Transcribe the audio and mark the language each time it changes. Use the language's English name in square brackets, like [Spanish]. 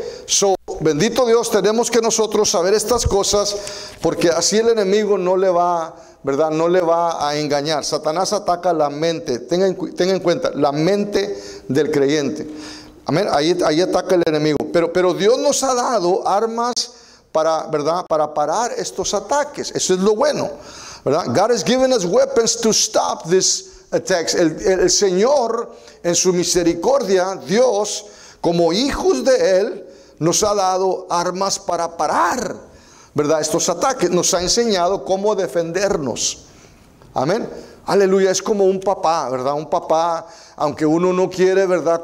[Spanish] So, bendito Dios, tenemos que nosotros saber estas cosas, porque así el enemigo no le va, ¿verdad? No le va a engañar. Satanás ataca la mente, tenga en cuenta, la mente del creyente. Amén. Ahí ataca el enemigo. Pero Dios nos ha dado armas para, ¿verdad? Para parar estos ataques. Eso es lo bueno, ¿verdad? [English] God has given us weapons to stop these attacks. [Spanish] El Señor, en su misericordia, Dios, como hijos de Él, nos ha dado armas para parar, ¿verdad? Estos ataques. Nos ha enseñado cómo defendernos. Amén. Aleluya, es como un papá, ¿verdad? Un papá, aunque uno no quiere, ¿verdad?